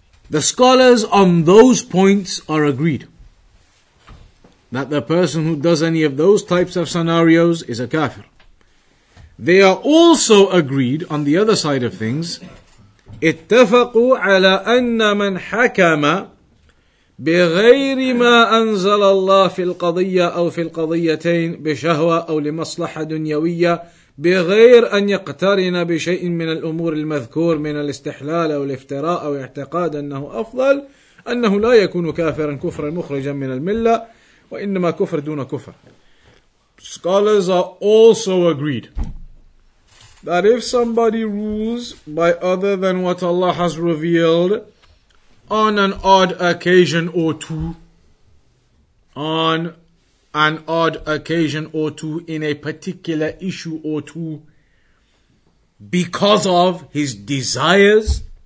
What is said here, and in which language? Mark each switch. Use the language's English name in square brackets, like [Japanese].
[English] The scholars on those points are agreed that the person who does any of those types of scenarios is a kafir. They are also agreed on the other side of things. [Arabic] اتفقوا على أن من حكم بغير ما أنزل الله في القضية أو في القضيتين بشهوة أو لمصلحة دنيوية بغير أن يقترن بشيء من الأمور المذكور من الاستحلال أو الافتراء أو اعتقاد أنه أفضل أنه لا يكون كافرا كفرا مخرجا من الملة وإنما كفر دون كفر. [English] Scholars are also agreed that if somebody rules by other than what Allah has revealed on an odd occasion or two, on an odd occasion or two, in a particular issue or two, because of his desires,